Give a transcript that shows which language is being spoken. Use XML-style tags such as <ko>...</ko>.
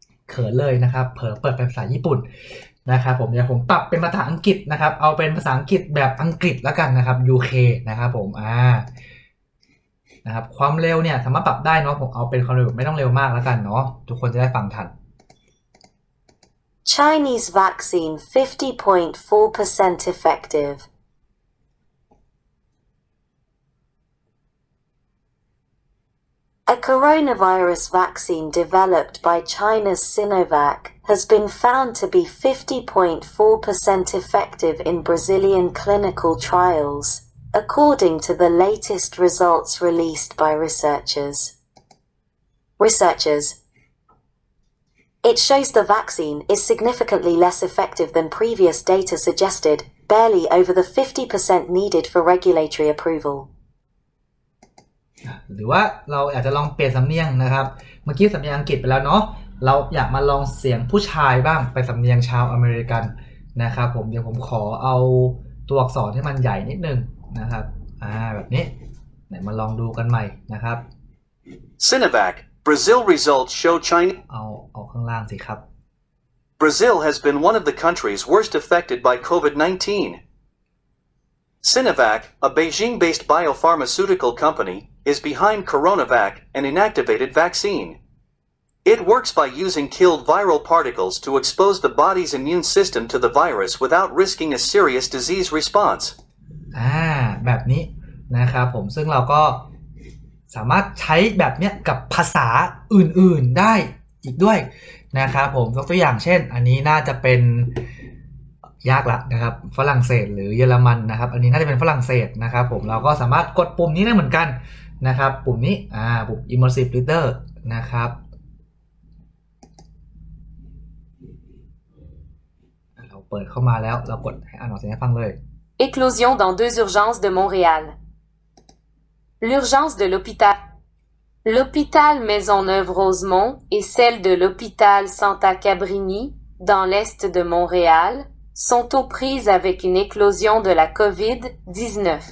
<th>เขินเลยนะครับเผลอเปิดเป็นภาษาญี่ปุ่นนะครับผมเดี๋ยวผมปรับเป็นภาษาอังกฤษนะครับเอาเป็นภาษาอังกฤษแบบอังกฤษแล้วกันนะครับ UK นะครับผมนะครับความเร็วเนี่ยสามารถปรับได้เนาะผมเอาเป็นความเร็วไม่ต้องเร็วมากแล้วกันเนาะทุกคนจะได้ฟังทัน</th> <en>Chinese vaccine 50.4% effective A coronavirus vaccine developed by China's Sinovac has been found to be 50.4% effective in Brazilian clinical trials. According to the latest results released by researchers, it shows the vaccine is significantly less effective than previous data suggested, barely over the 50% needed for regulatory approval.</en> <th>หรือว่าเราอาจจะลองเปลี่ยนสำเนียงนะครับเมื่อกี้สำเนียงอังกฤษไปแล้วเนาะเราอยากมาลองเสียงผู้ชายบ้างไปสำเนียงชาวอเมริกันนะครับผมเดี๋ยวผมขอเอาตัวอักษรให้มันใหญ่นิดนึงนะครับแบบนี้ไหนมาลองดูกันใหม่นะครับ</th> <en>Sinovac Brazil results show China</en> <th>เอาข้างล่างสิครับ</th> <en>Brazil has been one of the countries worst affected by COVID-19 Sinovac, a Beijing-based biopharmaceutical company, is behind CoronaVac, an inactivated vaccine. It works by using killed viral particles to expose the body's immune system to the virus without risking a serious disease response.</en> <th>แบบนี้นะครับผมซึ่งเราก็สามารถใช้แบบเนี้ยกับภาษาอื่นๆได้อีกด้วยนะครับผมยกตัวอย่างเช่นอันนี้น่าจะเป็นยากละนะครับฝรั่งเศสหรือเยอรมันนะครับอันนี้น่าจะเป็นฝรั่งเศสนะครับผมเราก็สามารถกดปุ่มนี้ได้เหมือนกันนะครับปุ่มนี้ปุ่ม Immersive Reader นะครับเราเปิดเข้ามาแล้วเรากดให้อ่านออกเสียงให้ฟังเลย</th> <fr>Éclosion dans deux urgences de Montréal. L'urgence de l'hôpital. L'hôpital Maisonneuve Rosemont et celle de l'hôpital Santa Cabrini, dans l'est de Montréal, sont aux prises avec une éclosion de la COVID-19.</fr>